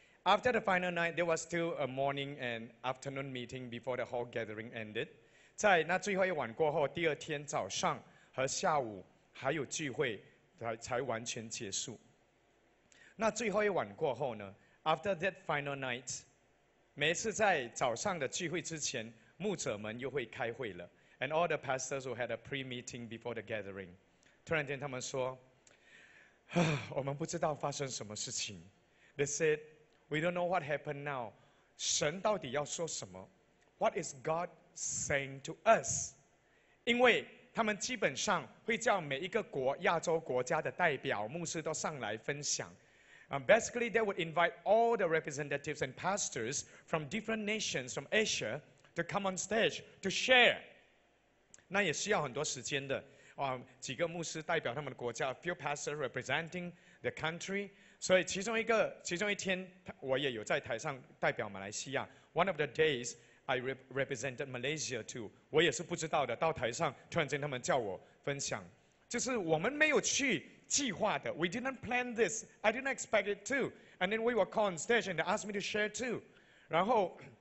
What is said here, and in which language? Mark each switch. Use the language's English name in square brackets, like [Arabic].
[English] After the final night, there was still a morning and afternoon meeting before the whole gathering ended. [Chinese] 在那最后一晚过后，第二天早上和下午还有聚会，才完全结束。那最后一晚过后呢 ？ [English] After that final night, [Chinese] 每次在早上的聚会之前，牧者们又会开会了。 [English] And all the pastors who had a pre-meeting before the gathering, [Chinese] 突然间他们说：“我们不知道发生什么事情。” [English] They said. We don't know what happened now. [Chinese] 神到底要说什么 [English] ？What is God saying to us? [Chinese] 因为他们基本上会叫每一个国亚洲国家的代表牧师都上来分享。 [English] Basically, they would invite all the representatives and pastors from different nations from Asia to come on stage to share. [Chinese] 那也需要很多时间的。几个牧师代表他们的国家 ， [English] a few pastors representing the country. [Chinese] 所以其中一天我也有在台上代表马来西亚 [English] One of the days I represented Malaysia too [Chinese] 我也是不知道的到台上突然间他们叫我分享就是我们没有去计划的 [English] We didn't plan this I didn't expect it too And then we were called on stage and they asked me to share too [Chinese] 然后